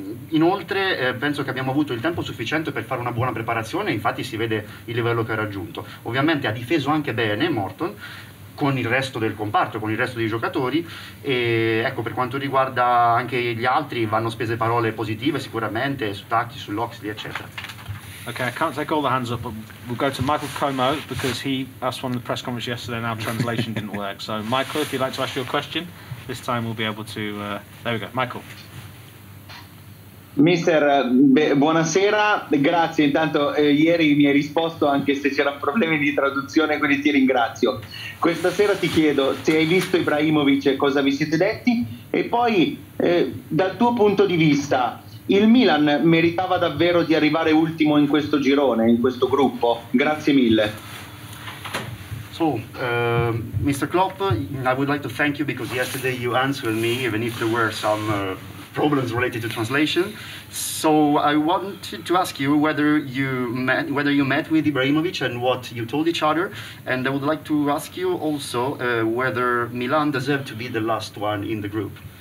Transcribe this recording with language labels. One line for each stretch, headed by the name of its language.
Italian: Inoltre penso che abbiamo avuto il tempo sufficiente per fare una buona preparazione, infatti si vede il livello che ha raggiunto. Ovviamente ha difeso anche bene Morton con il resto del comparto, con il resto dei giocatori, e ecco, per quanto riguarda anche gli altri vanno spese parole positive sicuramente su Tucky, sull'Oxley, eccetera.
English: Okay, I can't take all the hands up, but we'll go to Michael Como because he asked one in the press conference yesterday and our translation didn't work. So, Michael, if you'd like to ask your question, this time we'll be able to... there we go, Michael.
Italian: Mister, buonasera, grazie. Intanto, ieri mi hai risposto anche se c'erano problemi di traduzione, quindi ti ringrazio. Questa sera ti chiedo se hai visto Ibrahimovic e cosa vi siete detti, e poi, dal tuo punto di vista... Il Milan meritava davvero di arrivare ultimo in questo girone, in questo gruppo? Grazie mille.
English: So, Mr. Klopp, I would like to thank you because yesterday you answered me, even if there were some problems related to translation. So I wanted to ask you whether you met with Ibrahimovic and what you told each other. And I would like to ask you also whether Milan deserved to be the last one in the group.